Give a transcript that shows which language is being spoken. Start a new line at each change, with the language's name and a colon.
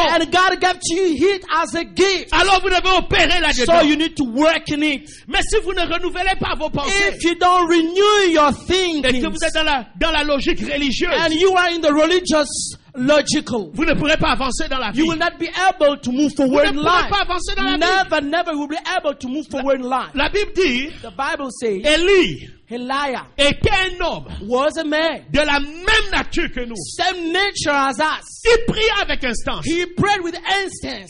English: And God gave to you it as a gift.
French: Alors vous devez opérer là-dedans.
English: So you need to work in it.
French: Mais si vous ne renouvelez pas vos pensées,
English: if you don't renew your thinking,
French: et que vous êtes dans la logique religieuse,
English: and you are in the religious logical.
French: Vous ne pourrez pas avancer dans la vie.
English: You will not be able to move forward
French: Vous ne pourrez
English: in life.
French: Pas avancer dans la
English: never,
French: vie.
English: Never will be able to move forward in life.
French: La Bible dit,
English: the Bible says,
French: Élie,
English: Elijah
French: était un homme
English: was a man
French: de la même nature que nous.
English: Same nature as us.
French: Il pria avec instance.
English: He prayed with instance.